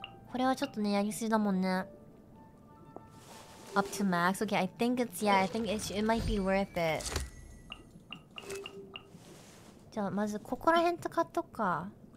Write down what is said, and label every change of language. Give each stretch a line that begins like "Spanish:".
Japanese: これはちょっとね、やりすぎだもんね。
English: Up to max. Okay, I think it's, yeah, I think it might be worth it.
Japanese: じゃあ、まずここら辺と買っとくか。